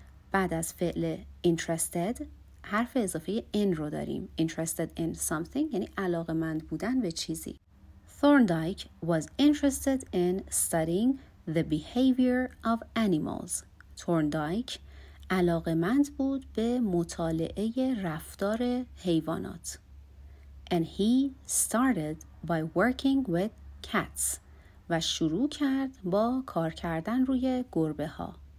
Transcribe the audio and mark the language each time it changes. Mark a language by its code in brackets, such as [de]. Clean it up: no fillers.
[fa] بعد از فعل interested حرف اضافه in رو داریم. [en] Interested in something [fa] یعنی علاقمند بودن به چیزی. [en] Thorndike was interested in studying the behavior of animals. [fa] Thorndike علاقمند بود به مطالعه رفتار حیوانات. [en] And he started by working with cats. [fa] و شروع کرد با کار کردن روی گربه ها.